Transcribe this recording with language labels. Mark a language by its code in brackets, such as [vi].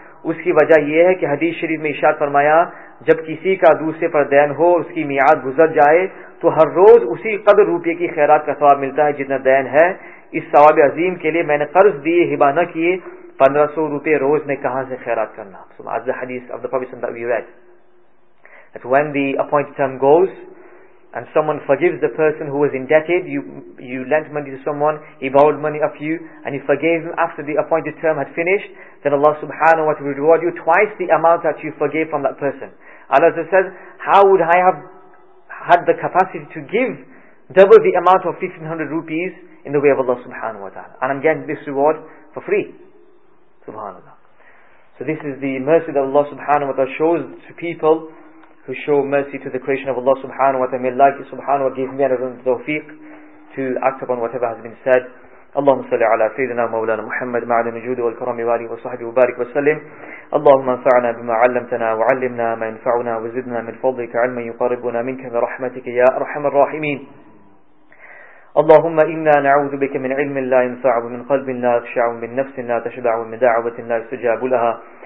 [ur] اس کی وجہ یہ ہے کہ حدیث شریف میں ارشاد فرمایا جب کسی کا دوسرے پر دین ہو اس کی میعاد گزر جائے تو ہر روز اسی قدر روپے کی خیرات کا ثواب ملتا ہے جتنا دین ہے. اس ثواب عظیم کے لیے میں نے قرض دیے ہبا نہ کیے 1500 روپے روز میں کہاں سے خیرات کرنا. [en] So, as the hadith of the Prophet that we read, that when the appointed term goes and someone forgives the person who was indebted, you lent money to someone, he borrowed money of you, and you forgave him after the appointed term had finished, then Allah subhanahu wa ta'ala will reward you twice the amount that you forgave from that person. Al-Azhar says, how would I have had the capacity to give double the amount of 1500 rupees in the way of Allah subhanahu wa ta'ala, and I'm getting this reward for free. Subhanallah. So this is the mercy that Allah subhanahu wa ta'ala shows to people who show mercy to the creation of Allah subhanahu wa ta'ala. May Allah subhanahu wa give me another tawfiq to act upon whatever has been said. [ar] اللهم صل على سيدنا مولانا محمد مع النجود والكرم والي وصحبه وبارك وسلم. اللهم انفعنا بما علمتنا وعلمنا ما ينفعنا وزدنا من فضلك علما يقربنا منك برحمتك يا أرحم الراحمين. اللهم إنا نعوذ بك من علم لا ينفع ومن قلب لا يخشع ومن نفس لا تشبع ومن دعوة لا يستجاب لها.